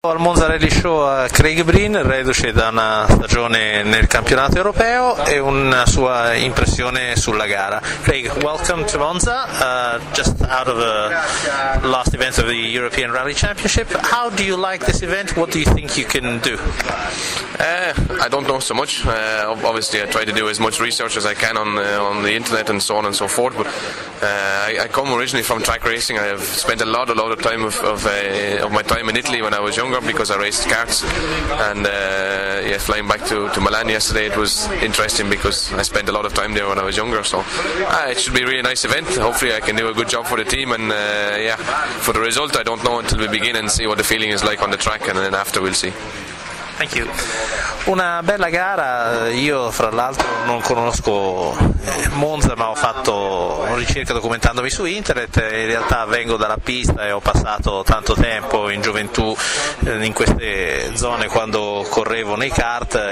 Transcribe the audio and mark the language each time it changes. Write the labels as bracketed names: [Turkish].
[Italian] Al Monza Rally Show a Craig Breen, reduce da una stagione nel campionato europeo e una sua impressione sulla gara. [English] Craig, welcome to Monza, just out of the last event of the European Rally Championship. How do you like this event? What do you think you can do? I don't know so much. Obviously, I try to do as much research as I can on the internet and so on and so forth. But I come originally from track racing. I have spent a lot of time of my time in Italy when I was younger, because I raced karts, and flying back to Milan yesterday, it was interesting because I spent a lot of time there when I was younger. So it should be a really nice event. Hopefully I can do a good job for the team, and for the result I don't know until we begin and see what the feeling is like on the track, and then after we'll see. Thank you. [Italian] Una bella gara. Io fra l'altro non conosco Monza, ma ho fatto ricerca documentandomi su internet. In realtà vengo dalla pista e ho passato tanto tempo in gioventù in queste zone quando correvo nei kart.